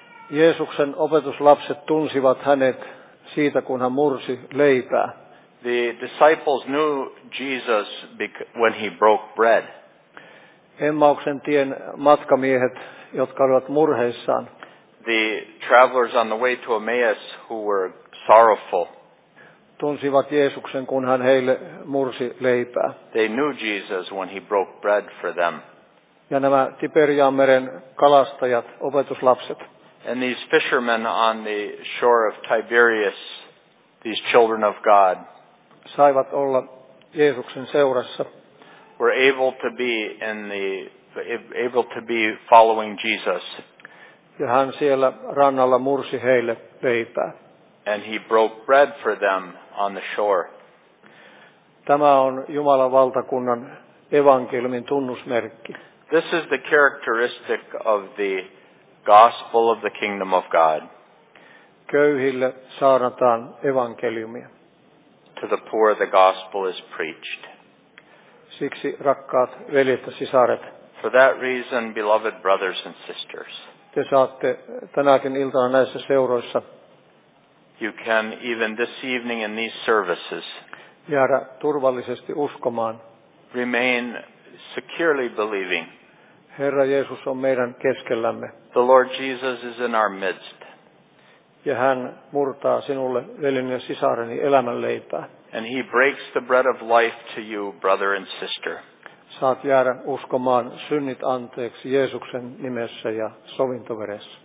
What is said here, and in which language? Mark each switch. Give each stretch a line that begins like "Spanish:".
Finnish: Jeesuksen opetuslapset tunsivat hänet siitä, kun hän mursi leipää.
English: The disciples knew Jesus when he broke bread.
Finnish: Emmauksen tien matkamiehet, jotka olivat murheissaan.
English: The travelers on the way to Emmaus who were sorrowful.
Finnish: Tunsivat Jeesuksen, kun hän heille mursi leipää.
English: They knew Jesus when he broke bread for them.
Finnish: Ja nämä Tiberian meren kalastajat, opetuslapset.
English: And these fishermen on the shore of Tiberias, these children of God,
Finnish: saivat olla Jeesuksen seurassa.
English: Were able to be following Jesus.
Finnish: Ja hän siellä rannalla mursi heille leipää.
English: And he broke bread for them on the shore.
Finnish: Tämä on Jumalan valtakunnan evankeliumin tunnusmerkki.
English: This is the characteristic of the gospel of the kingdom of God.
Finnish: Köyhille saarnataan evankeliumia.
English: To the poor the gospel is preached.
Finnish: Siksi rakkaat veljet ja sisaret.
English: For that reason, beloved brothers and sisters.
Finnish: Te saatte tänäkin iltana näissä seuroissa.
English: You can even this evening in these services.
Finnish: Jäädä turvallisesti uskomaan.
English: Remain securely believing.
Finnish: Herra Jeesus on meidän keskellämme.
English: The Lord Jesus is in our midst.
Finnish: Ja hän murtaa sinulle, veljeni ja sisareni, elämän leipää.
English: And he breaks the bread of life to you, brother and sister.
Finnish: Saat jäädä uskomaan synnit anteeksi Jeesuksen nimessä ja sovintoveressä.